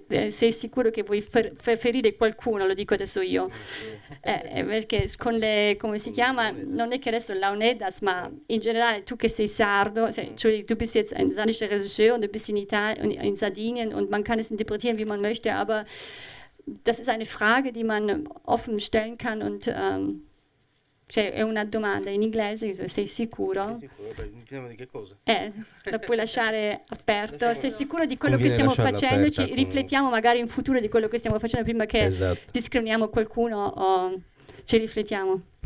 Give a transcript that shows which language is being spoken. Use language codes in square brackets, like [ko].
[it] Sei sicuro che vuoi ferire qualcuno, lo dico adesso io. Perché con le, come si chiama, non è che adesso Leonidas, ma in generale tu che sei sardo, cioè tu [de] bist jetzt ein sardischer Regisseur und du bist in Italien, in Sardinien und man kann es interpretieren, wie man möchte, aber das ist eine Frage, die man offen stellen kann und... [it] Cioè, è una domanda in inglese, sei sicuro? Sicuro, di che cosa? La puoi lasciare aperto. Sei sicuro di quello che stiamo facendo? Ci riflettiamo magari in futuro di quello che stiamo facendo prima che discriminiamo qualcuno o ci riflettiamo.